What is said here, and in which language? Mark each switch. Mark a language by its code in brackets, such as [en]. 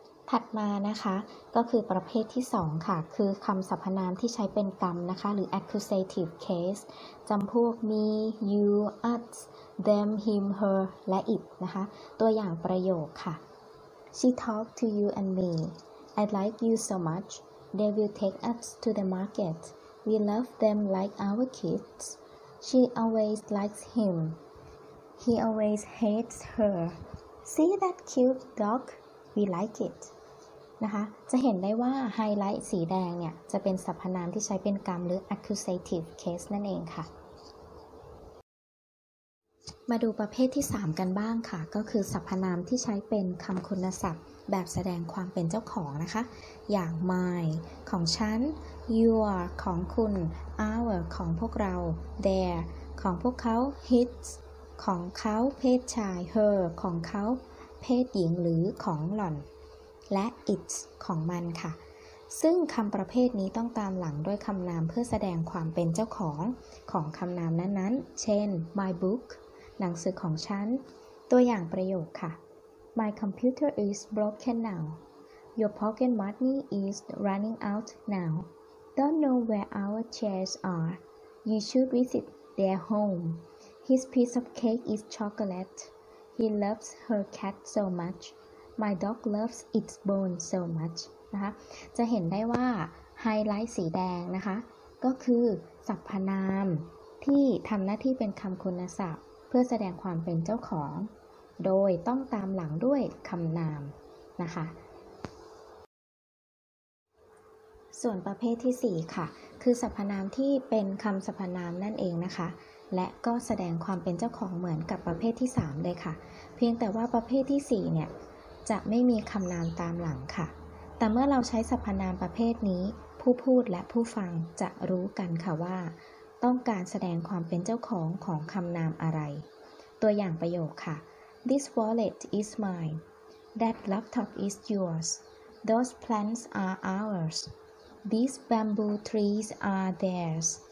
[th] ถัดมานะคะก็คือประเภทที่2ค่ะคือคำสรรพนามที่ใช้เป็นกรรมนะคะหรือ accusative case จำพวก me you us them him her และ it นะคะตัวอย่างประโยคค่ะ [en] She talked to you and me. I like you so much. They will take us to the market. We love them like our kids. She always likes him. He always hates her. See that cute dog? We like it. [th] นะคะจะเห็นได้ว่าไฮไลท์สีแดงเนี่ยจะเป็นสรรพนามที่ใช้เป็นกรรมหรือ accusative case นั่นเองค่ะมาดูประเภทที่3กันบ้างค่ะก็คือสรรพนามที่ใช้เป็นคำคุณศัพท์แบบแสดงความเป็นเจ้าของนะคะอย่าง my ของฉัน your ของคุณ our ของพวกเรา their ของพวกเขา his ของเขาเพศชาย her ของเขาเพศหญิงหรือของหล่อน และ its ของมันค่ะซึ่งคำประเภทนี้ต้องตามหลังด้วยคำนามเพื่อแสดงความเป็นเจ้าของของคำนามนั้นๆเช่น my bookหนังสือของฉันตัวอย่างประโยคค่ะ [en] My computer is broken now. Your pocket money is running out now. Don't know where our chairs are. You should visit their home. His piece of cake is chocolate. He loves her cat so much. My dog loves its bone so much. [th] นะคะจะเห็นได้ว่าไฮไลท์สีแดงนะคะก็คือสรรพนามที่ทำหน้าที่เป็นคำคุณศัพท์เพื่อแสดงความเป็นเจ้าของโดยต้องตามหลังด้วยคำนามนะคะ ส่วนประเภทที่4ค่ะคือสรรพนามที่เป็นคำสรรพนามนั่นเองนะคะและก็แสดงความเป็นเจ้าของเหมือนกับประเภทที่3เลยค่ะเพียงแต่ว่าประเภทที่4เนี่ยจะไม่มีคำนามตามหลังค่ะแต่เมื่อเราใช้สรรพนามประเภทนี้ผู้พูดและผู้ฟังจะรู้กันค่ะว่าต้องการแสดงความเป็นเจ้าของของคำนามอะไรตัวอย่างประโยคค่ะ [en] This wallet is mine. That laptop is yours. Those plants are ours. These bamboo trees are theirs.